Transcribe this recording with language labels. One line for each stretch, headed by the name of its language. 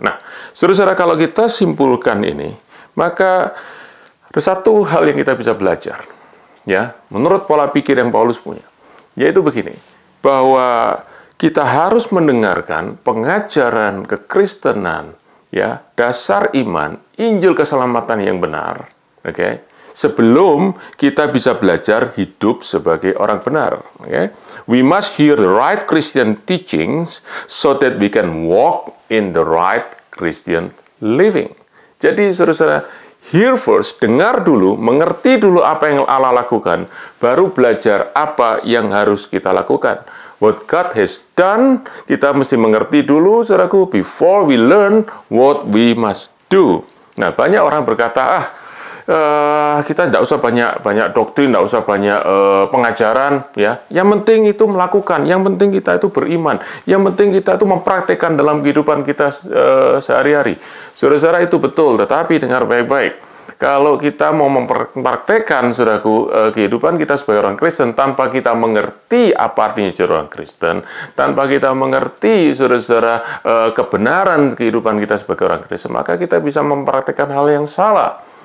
Indonesian: Nah, saudara-saudara, kalau kita simpulkan ini, maka ada satu hal yang kita bisa belajar, ya, menurut pola pikir yang Paulus punya, yaitu begini, bahwa kita harus mendengarkan pengajaran kekristenan, ya, dasar iman, Injil keselamatan yang benar, oke, okay, sebelum kita bisa belajar hidup sebagai orang benar. Okay?
English: We must hear the right Christian teachings so that we can walk in the right Christian living.
Indonesian: Jadi, saudara-saudara,
English: hear first,
Indonesian: dengar dulu, mengerti dulu apa yang Allah lakukan, baru belajar apa yang harus kita lakukan.
English: What God has done,
Indonesian: kita mesti mengerti dulu, saudaraku,
English: before we learn what we must do.
Indonesian: Nah, banyak orang berkata, kita tidak usah banyak doktrin, tidak usah banyak pengajaran, ya. Yang penting itu melakukan, yang penting kita itu beriman, yang penting kita itu mempraktikkan dalam kehidupan kita sehari-hari. Saudara-saudara, itu betul, tetapi dengar baik-baik. Kalau kita mau mempraktikkan, saudaraku, kehidupan kita sebagai orang Kristen, tanpa kita mengerti apa artinya jadi orang Kristen, tanpa kita mengerti, saudara-saudara, kebenaran kehidupan kita sebagai orang Kristen, maka kita bisa mempraktikkan hal yang salah.